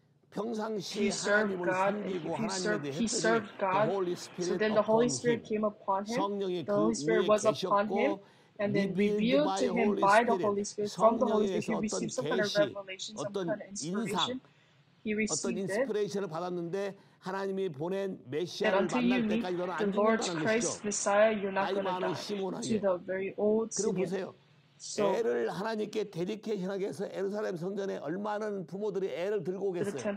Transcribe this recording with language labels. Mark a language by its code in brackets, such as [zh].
[ko] 평상시에 하나님을 섬기고 하나님에 대해 했더니 [en] So then the Holy Spirit came upon him. [ko] 성령의 그 위에 계셨고 [en] And then revealed to him by the Holy Spirit. From the Holy Spirit he received some kind of revelation, some kind of inspiration. He received [ko] 어떤 인스피레이션을 받았는데 하나님이 보낸 메시아를 [en] until [ko] 만날 때까지 너는 안 죽는다는 것이죠. 나이 많은 시몬에게. 그리고 보세요. 애를 하나님께 데디케이션하게 해서 예루살렘 성전에 얼마나 부모들이 애를 들고 오겠어요.